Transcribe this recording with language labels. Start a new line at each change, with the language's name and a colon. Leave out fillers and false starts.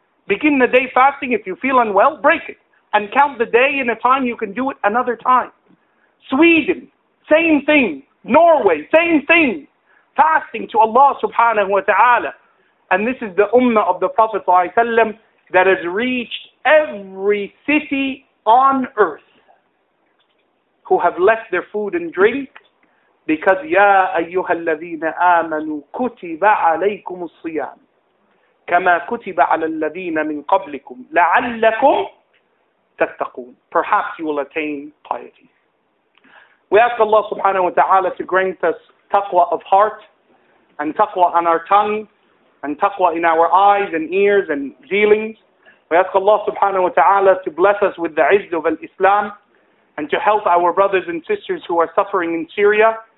English: Begin the day fasting. If you feel unwell, break it. And count the day and a time you can do it another time. Sweden, same thing. Norway, same thing. Fasting to Allah subhanahu wa ta'ala. And this is the ummah of the Prophet sallallahu alayhi wa sallam that has reached every city on earth. Who have left their food and drink because
Arabic: يَا أَيُّهَا الَّذِينَ آمَنُوا كُتِبَ عَلَيْكُمُ الصِّيَامِ كَمَا كُتِبَ عَلَى الَّذِينَ مِنْ قَبْلِكُمْ لَعَلَّكُمْ تَتَّقُونَ.
English: Perhaps you will attain piety. We ask Allah subhanahu wa ta'ala to grant us taqwa of heart and taqwa on our tongue and taqwa in our eyes and ears and dealings. We ask Allah subhanahu wa ta'ala to bless us with the izz of al-Islam and to help our brothers and sisters who are suffering in Syria.